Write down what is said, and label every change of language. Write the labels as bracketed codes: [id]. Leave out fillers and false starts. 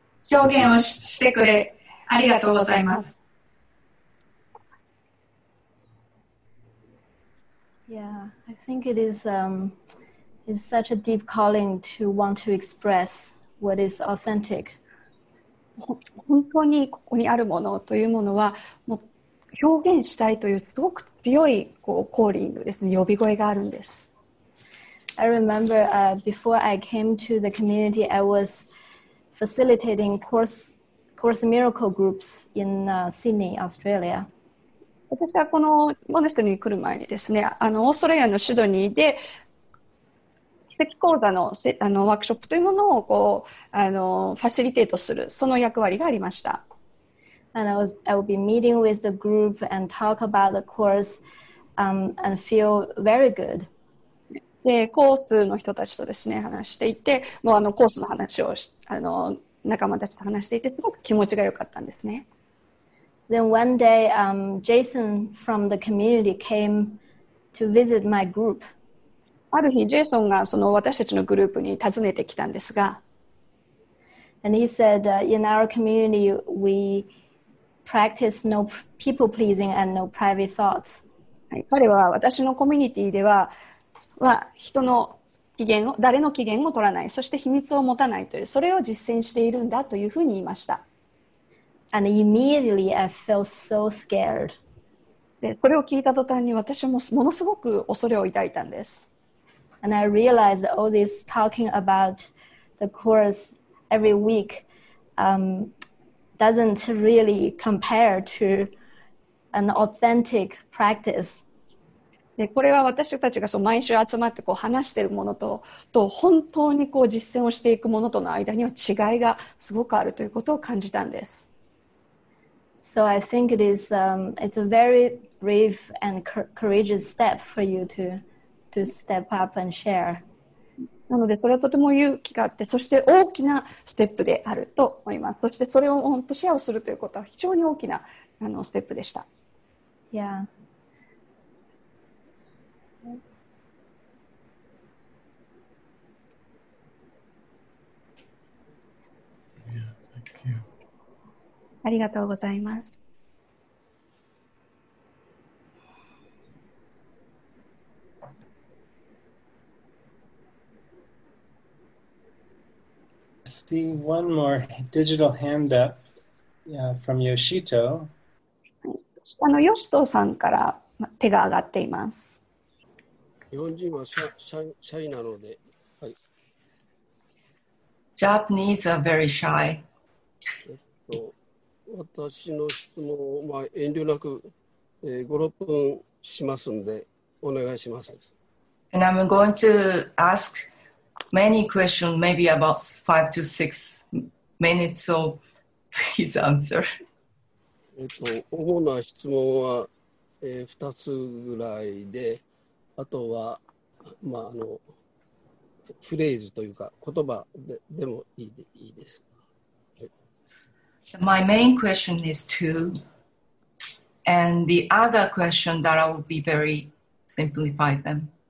[ja] 表現をしてくれ、ありがとうございます。 [en] Yeah, I think it is, it's such a deep calling to want to express what is authentic. [ja] 本当にここにあるものというものは、もう表現したいというすごく強いこうコーリングですね、呼び声があるんです。 [en] I remember, before I came to the community, I wasfacilitating course miracle groups in Sydney, Australia. [ja] 私はこのモネストに来る前にですね、あのオーストラリアのシドニーで奇跡講座 のワークショップというものをこうファシリテートするその役割がありました。 [en] and I will be meeting with the group and talk about the course, and feel very good. [ja] でコースの人たちとですね話していて、もうあのコースの話をあの仲間たちと話していて、すごく気持ちが良かったんですね。 [en] Then one day, Jason from the community came to visit my group. [ja] ある日、ジェイソンがその私たちのグループに訪ねてきたんですが、 [en] And he said, in our community, we practice no people pleasing and no private thoughts.、 [ja] はい、彼は私のコミュニティでは、は人の機嫌を誰の機嫌も取らない、そして秘密を持たないという、それを実践しているんだというふうに言いました。 [en] And immediately I felt so scared. [ja] でこれを聞いた途端に私もものすごく恐れを抱いたんです。 [en] And I realized all this talking about the course every week, doesn't really compare to an authentic practice. [ja] でこれは私たちがそう毎週集まってこう話しているもの と本当にこう実践をしていくものとの間には違いがすごくあるということを感じたんです。 [en] So I think it is, it's a very brave and courageous step for you to step up and share. [ja] なのでそれはとても勇気があって、そして大きなステップであると思います。そしてそれを本当シェアをするということは非常に大きなあのステップでした。 [en] Yeah. [ja] ありがとうございます。 [en] See one more digital hand up, from Yoshito. [ja] あの、ヨシトさんから手が上がっています。日本人はシャイなので、はい。 [en] Japanese are very shy. [ja] 私の質問を、まあ、遠慮なく、5、6分しますのでお願いします。 [en] And I'm going to ask many questions, maybe about 5 to 6 minutes, so please answer. [ja] 主な質問は、2つぐらいで、あとは、まあ、あのフレーズというか言葉 でもいいです。 [en] My main question is two, and the other question that I will be very simplified them.